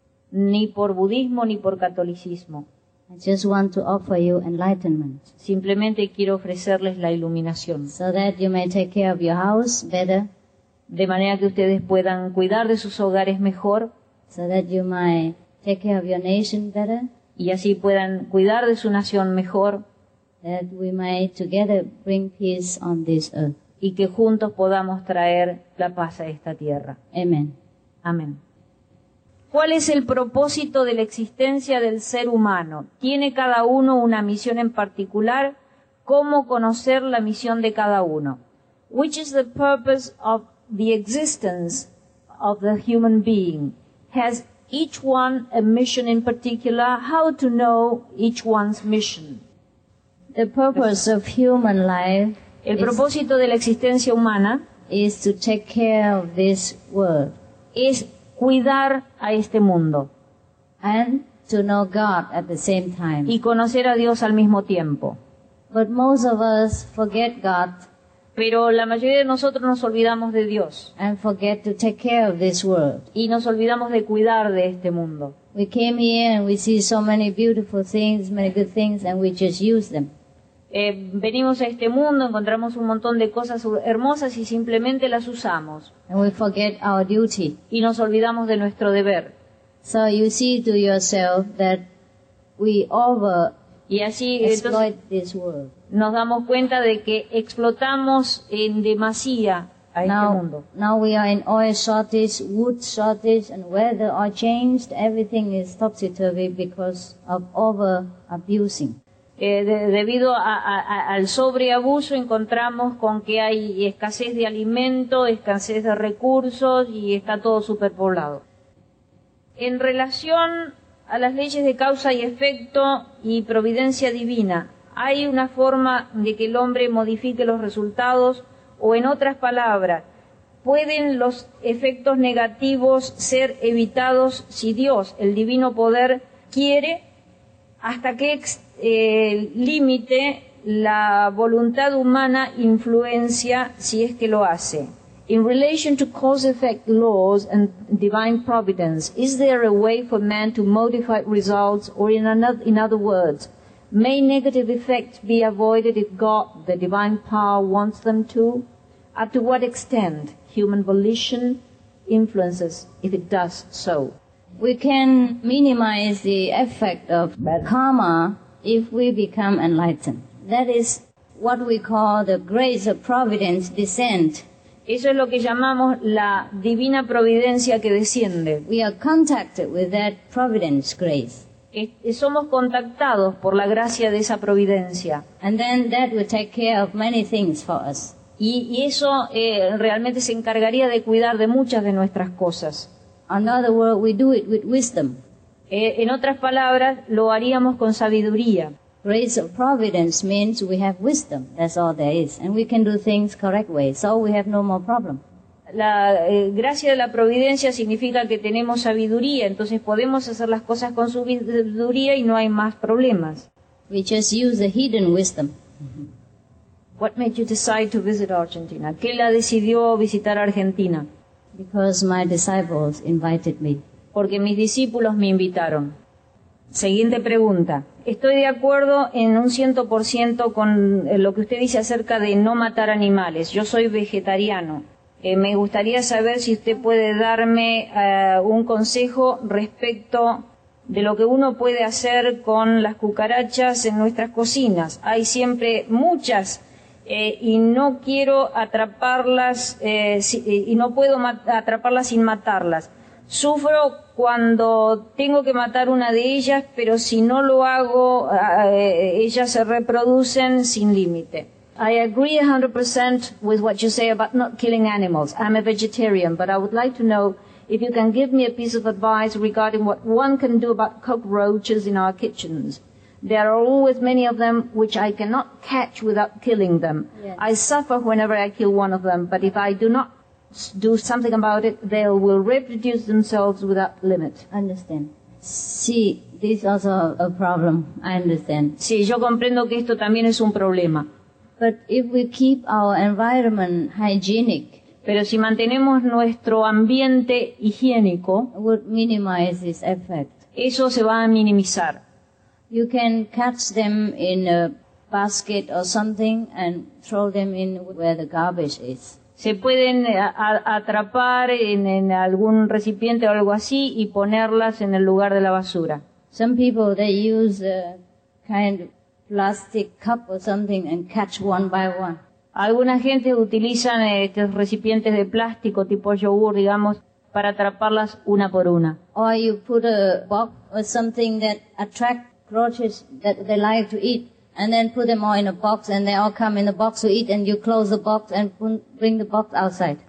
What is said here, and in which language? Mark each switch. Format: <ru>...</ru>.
<es>Ni por budismo ni por catolicismo.</es> <en>I just want to offer you enlightenment.</en> <es>Simplemente quiero ofrecerles la iluminación.</es> <en>So that you may take care of your house better.</en> <es>De manera que ustedes puedan cuidar de sus hogares mejor.</es> <en>So that you may take care of your nation better.</en> <es>Y así puedan cuidar de su nación mejor.</es> <en>That we may together bring peace on this earth.</en> <es>Y que juntos podamos traer la paz a esta tierra.</es> <en>Amen.</en> <es>Amén. ¿Cuál es el propósito de la existencia del ser humano? ¿Tiene cada uno una misión en particular? ¿Cómo conocer la misión de cada uno?</es> <en>Which is the purpose of the existence of the human being? Has each one a mission in particular? How to know each one's mission? The purpose of human life.</en> <es>El propósito de la existencia humana</es> <en>is to take care of this world.</en> <es>Es cuidar a este mundo.</es> <en>And to know God at the same time.</en> <es>Y conocer a Dios al mismo tiempo.</es> <en>But most of us forget God.</en> <es>Pero la mayoría de nosotros nos olvidamos de Dios.</es> <en>And forget to take care of this world.</en> <es>Y nos olvidamos de cuidar de este mundo.</es> <en>We came here and we see so many beautiful things, many good things, and we just use them.</en> <es>Venimos a este mundo, encontramos un montón de cosas hermosas y simplemente las usamos.</es> <en>And we forget our duty.</en> <es>Y nos olvidamos de nuestro deber.</es> <en>So you see to yourself that we over exploit this world.</en> <es>Nos damos cuenta de que explotamos en demasía a este mundo.</es> <en>Now we are in oil shortage, wood shortage, and weather are changed. Everything is topsy-turvy because of over-abusing.</en> <es>Debido al sobreabuso encontramos con que hay escasez de alimento, escasez de recursos y está todo superpoblado. En relación a las leyes de causa y efecto y providencia divina, ¿hay una forma de que el hombre modifique los resultados? O en otras palabras, ¿pueden los efectos negativos ser evitados si Dios, el divino poder, quiere? ¿Hasta qué límite la voluntad humana influencia si es que lo hace?</es> <en>In relation to cause-effect laws and divine providence, is there a way for man to modify results, or in other words, may negative effects be avoided if God, the divine power, wants them to? Up to what extent human volition influences if it does so? We can minimize the effect of karma if we become enlightened. That is what we call the grace of providence descent.</en> <es>Eso es lo que llamamos la divina providencia que desciende.</es> <en>We are contacted with that providence grace.</en> <es>Somos contactados por la gracia de esa providencia.</es> <en>And then that will take care of many things for us.</en> <es>Y eso realmente se encargaría de cuidar de muchas de nuestras cosas.</es> <en>In other words, we do it with wisdom.</en> <es>En otras palabras, lo haríamos con sabiduría.</es> <en>Grace of providence means we have wisdom. That's all there is. And we can do things correct way. So we have no more problem.</en> <es>La gracia de la providencia significa que tenemos sabiduría. Entonces podemos hacer las cosas con sabiduría y no hay más problemas.</es> <en>We just use the hidden wisdom. What made you decide to visit Argentina?</en> <es>¿Qué la decidió visitar Argentina?</es> <en>Because my disciples invited me.</en> <es>Porque mis discípulos me invitaron. Siguiente pregunta. Estoy de acuerdo en un 100% con lo que usted dice acerca de no matar animales. Yo soy vegetariano. Me gustaría saber si usted puede darme un consejo respecto de lo que uno puede hacer con las cucarachas en nuestras cocinas. Hay siempre muchas y no quiero atraparlas y no puedo atraparlas sin matarlas. Sufro cuando tengo que matar una de ellas, pero si no lo hago, ellas se reproducen sin límite.</es> <en>I agree 100% with what you say about not killing animals. I'm a vegetarian, but I would like to know if you can give me a piece of advice regarding what one can do about cockroaches in our kitchens. There are always many of them which I cannot catch without killing them. Yes. I suffer whenever I kill one of them, but if I do not do something about it, they will reproduce themselves without limit. Understand. Sí, this is also a problem. I understand.</en> <es>Sí, yo comprendo que esto también es un problema.</es> <en>But if we keep our environment hygienic,</en> <es>pero si mantenemos nuestro ambiente higiénico,</es> <en>would minimize this effect.</en> <es>Eso se va a minimizar.</es> <en>You can catch them in a basket or something and throw them in where the garbage is.</en> <es>Se pueden atrapar en algún recipiente o algo así y ponerlas en el lugar de la basura.</es> <en>Some people they use a kind of plastic cup or something and catch one by one.</en> <es>Alguna gente utilizan estos recipientes de plástico tipo yogur, digamos, para atraparlas una por una.</es> <en>Or you put a box or something that attracts roaches that they like to eat, and then put them all in a box, and they all come in the box to eat, and you close the box and bring the box outside.</en>